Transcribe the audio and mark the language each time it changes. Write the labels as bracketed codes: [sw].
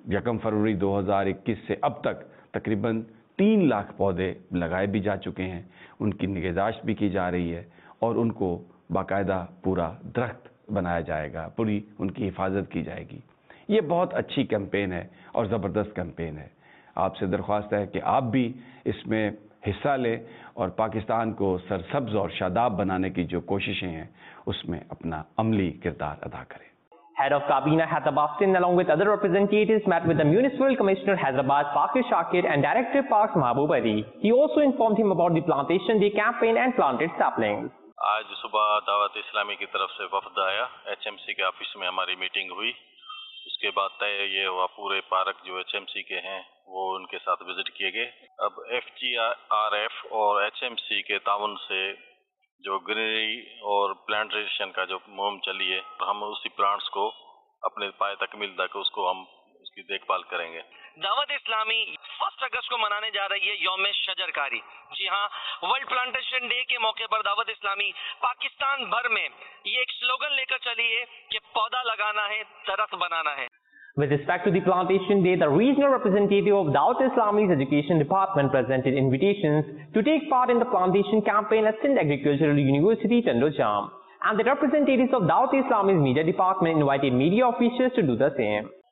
[ur] 1 فروری 2021 سے اب تک تقریباً 300,000 پودے لگائے بھی جا چکے ہیں, ان کی نگہداشت بھی کی جا رہی ہے اور ان کو باقاعدہ پورا درخت بنایا جائے گا, پوری ان کی حفاظت کی جائے گی. یہ بہت اچھی کیمپین ہے اور زبردست کیمپین ہے. آپ سے درخواست ہے کہ آپ بھی اس میں حصہ لیں اور پاکستان کو سرسبز اور شاداب بنانے کی جو کوششیں ہیں اس میں اپنا عملی کردار ادا کریں. [en] Head of Cabina Hyderabad along with other representatives met with the Municipal Commissioner Hyderabad Fakir Shakir and Director Parks Mahbub Ali. He also informed him about the Plantation Day campaign and planted saplings. [ur] آج صبح دعوت اسلامی کی طرف سے وفد آیا, H M C کے آفس میں ہماری میٹنگ ہوئی. اس کے بعد طے یہ ہوا پورے پارک جو ایچ ایم سی کے ہیں وہ ان کے ساتھ وزٹ کیے گئے. اب ایف جی آر ایف اور ایچ ایم سی کے تعاون سے جو گرینری اور پلانٹیشن کا جو مہم چلی ہے, ہم اسی پلانٹس کو اپنے پائے تکمیل تک اس کو ہم اس کی دیکھ بھال کریں گے. دعوت اسلامی 1 اگست کو منانے جا رہی ہے یوم شجرکاری. جی ہاں, ورلڈ پلانٹیشن ڈے کے موقع پر دعوت اسلامی پاکستان بھر میں یہ ایک سلوگن لے کر چلی ہے کہ پودا لگانا ہے درخت بنانا ہے. [en] With respect to the Plantation Day, the regional representative of Dawat Islami's Education Department presented invitations to take part in the plantation campaign at Sindh Agricultural University, Tandojam. And the representatives of Dawat Islami's Media Department invited media officials to do the same.